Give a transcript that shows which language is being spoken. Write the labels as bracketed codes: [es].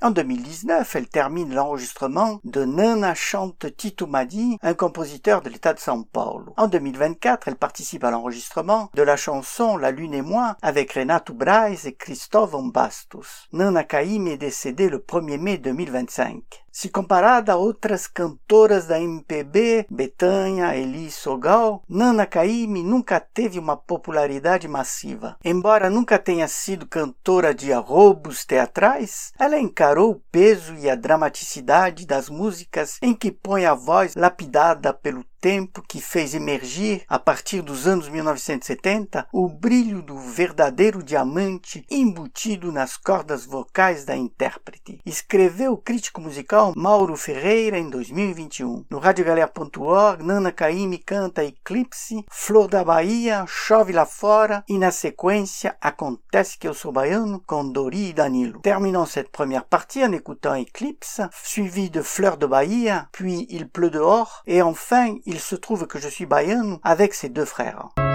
[fr] En 2019, elle termine l'enregistrement de Nana chante Tito Madi, un compositeur de l'État de São Paulo. En 2024, elle participe à l'enregistrement de la chanson La Lune et moi avec Renato Braz et Cristóvão Bastos. Nana Caymmi est décédée le 1er mai 2025. [pt] Si comparada a outras cantoras da MPB, Betânia, Elis ou Gal, Nana Caymmi nunca teve uma popularidade massiva. Embora nunca tenha sido cantora de arrobos teatrais, ela encarou o peso e a dramaticidade das músicas em que põe a voz lapidada pelo tempo, que fez emergir, a partir dos anos 1970, o brilho do verdadeiro diamante embutido nas cordas vocais da intérprete. Escreveu o crítico musical Mauro Ferreira em 2021. No radiogalera.org, Nana Caymmi canta Eclipse, Flor da Bahia, Chove lá fora e, na sequência, Acontece que eu sou baiano, com Dori e Danilo. [fr] Terminons cette première partie en écoutant Eclipse, suivi de Fleur de Bahia, puis Il pleut dehors, et enfin, Il se trouve que je suis baiano avec ses deux frères.